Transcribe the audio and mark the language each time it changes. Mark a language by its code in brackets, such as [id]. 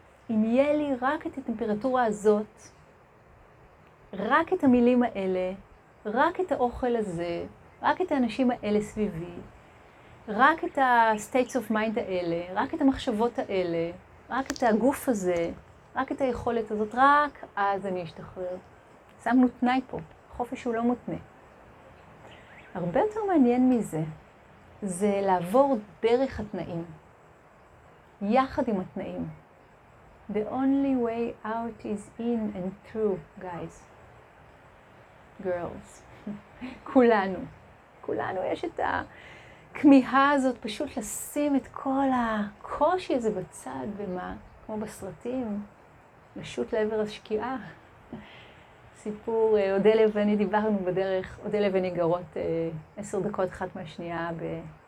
[he] אם יהיה לי רק את הטמפרטורה הזאת, רק את המילים האלה, רק את האוכל הזה, רק את האנשים האלה סביבי, רק את ה- [en] states of mind [he] האלה, רק את המחשבות האלה, רק את הגוף הזה, רק את היכולת הזאת, רק אז אני אשתחרר. שמנו תנאי פה, חופש הוא לא מותנה. הרבה יותר מעניין מזה, זה לעבור דרך התנאים, יחד עם התנאים. [en] The only way out is in and through, guys. [he] Girls. כולנו. כולנו יש את הכמיהה הזאת פשוט לשים את כל הקושי הזה בצד, ומה? כמו בסרטים, פשוט לעבר השקיעה. סיפור, אודלה ואני דיברנו בדרך, אודלה ואני גרות 10 דקות אחת מהשנייה ב...